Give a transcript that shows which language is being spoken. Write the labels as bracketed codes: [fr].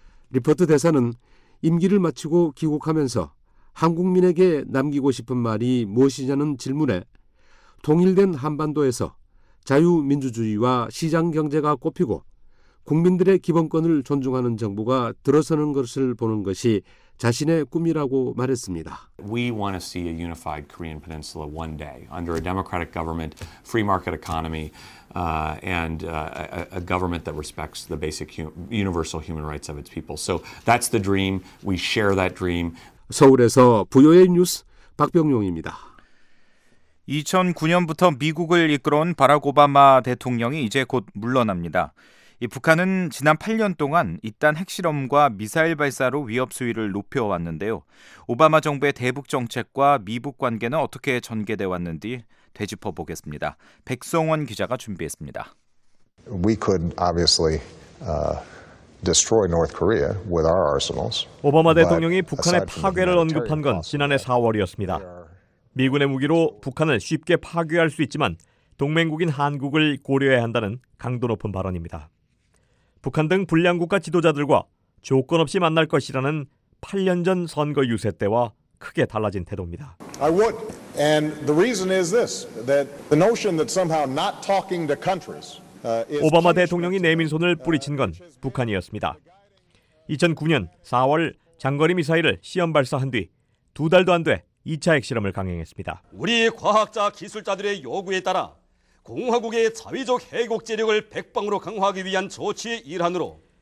[ko] 리퍼트 대사는 임기를 마치고 귀국하면서 한국민에게 남기고 싶은 말이 무엇이냐는 질문에 통일된 한반도에서 자유민주주의와 시장경제가 꽃피고 국민들의 기본권을 존중하는 정부가 들어서는 것을 보는 것이 자신의 꿈이라고 말했습니다. [en] We want to see a unified Korean peninsula one day under a democratic government, free market economy, and a government that respects the basic universal human rights of its people. So that's the dream. We share that dream. [ko] 서울에서 VOA 뉴스 박병용입니다. 2009년부터 미국을 이끌어온 바락 오바마 대통령이 이제 곧 물러납니다. 이 북한은 지난 8년 동안 잇단 핵실험과 미사일 발사로 위협 수위를 높여왔는데요. 오바마 정부의 대북 정책과 미북 관계는 어떻게 전개돼 왔는지 되짚어보겠습니다. 백성원 기자가 준비했습니다. [en] We could obviously destroy North Korea with our arsenals. [ko] 오바마 대통령이 북한의 파괴를 언급한 건 지난해 4월이었습니다. 미군의 무기로 북한을 쉽게 파괴할 수 있지만 동맹국인 한국을 고려해야 한다는 강도 높은 발언입니다. 북한 등 불량 국가 지도자들과 조건 없이 만날 것이라는 8년 전 선거 유세 때와 크게 달라진 태도입니다. [en] I would. And the reason is this, that the notion that somehow not talking to countries is [ko] 오바마 대통령이 내민 손을 뿌리친 건 북한이었습니다. 2009년 4월 장거리 미사일을 시험 발사한 뒤 두 달도 안 돼 2차 핵실험을 강행했습니다. 우리 과학자 기술자들의 요구에 따라 공화국의 자위적 해곡지력을 백방으로 강화하기 위한 조치의 일환으로